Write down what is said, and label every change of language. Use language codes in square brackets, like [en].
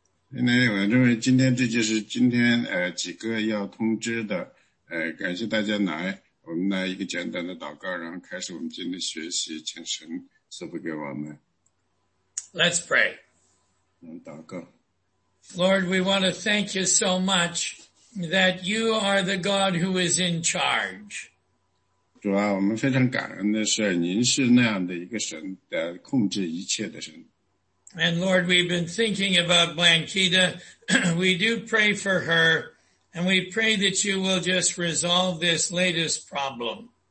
[zh] 我认为今天这就是今天几个要通知的，感谢大家来，我们来一个简单的祷告，然后开始我们今天的学习，请神赐福给我们。 [en] Let's pray. [zh] 祷告。 [en] Lord, we want to thank you so much that you are the God who is in charge. [zh] 主啊，我们非常感恩的是，您是那样的一个神，控制一切的神。 [en] And Lord, we've been thinking about Blanquita. We do pray for her, and we pray that you will just resolve this latest problem.